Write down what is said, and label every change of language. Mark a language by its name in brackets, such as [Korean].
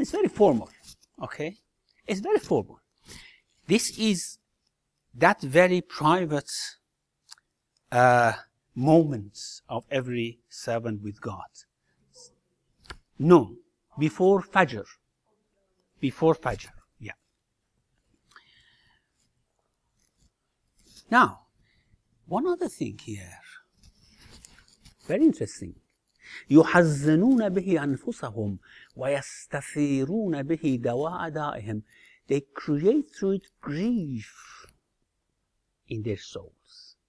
[English] It's very formal, okay? It's very formal. This is that very private moment of every servant with God. No. Before Fajr. Before Fajr, yeah. Now, one other thing here. Very interesting. [Arabic] يحزنون به أنفسهم ويستثيرون به دواء أدائهم. [English] They create through it grief in their souls.